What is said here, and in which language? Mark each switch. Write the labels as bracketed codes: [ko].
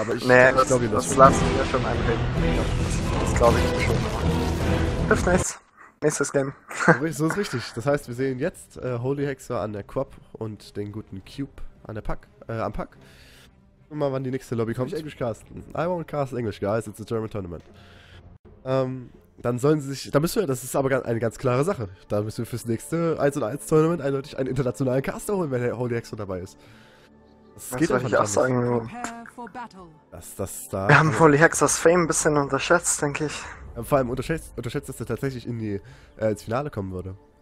[de] Aber ich glaube ihm das schon. Das lassen wir schon einreden. Das glaube ich schon. Hilft nichts. Nächstes Game. So ist richtig. Das heißt, wir sehen jetzt Holy Hexer an der Quap und den guten Cube an der Pack, am Pack. Guck mal, wann die nächste Lobby kommt. English Carsten. [en] I won't cast English, guys. It's a German tournament. [de] Dann sollen sie sich. Da müssen wir, das ist aber eine ganz klare Sache. Da müssen wir fürs nächste 1-1-Tournament eindeutig einen internationalen Caster holen, wenn der Holy Hexer dabei ist. Das geht doch nicht. Sagen, das da. Wir haben Holy Hexers Fame ein bisschen unterschätzt, denke ich. Vor allem unterschätzt, dass er tatsächlich in die ins Finale kommen würde.